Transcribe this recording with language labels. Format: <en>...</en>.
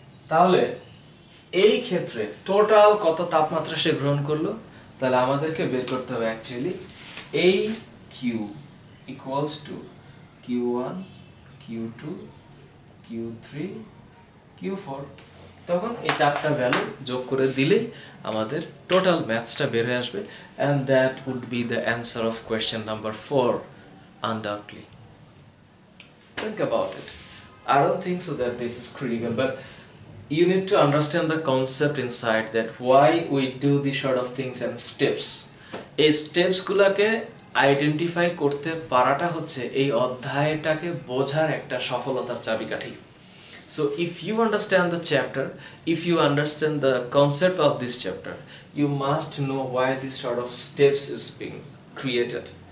<bn>তাহলে এই ক্ষেত্রে টোটাল কত তাপমাত্রা সে গ্রহণ করলো, তাহলে আমাদেরকে বের করতে হবে অ্যাকচুয়ালি এই Q equals to Q1, Q2, Q3, Q4। তখন এই চারটা ভ্যালু যোগ করে দিলেই আমাদের টোটাল ম্যাথসটা বের হয়ে আসবে,</bn> <en>And that would be the answer of question number 4 undoubtedly. Think about it, I don't think so that this is critical, but you need to understand the concept inside that why we do these sort of things and steps.</en> <bn>এই স্টেপসগুলোকে identify করতে পারাটা হচ্ছে এই অধ্যায়টাকে বোঝার একটা সফলতার চাবিকাঠি।</bn> <en>So if you understand the chapter, if you understand the concept of this chapter, you must know why this sort of steps is being created.</en>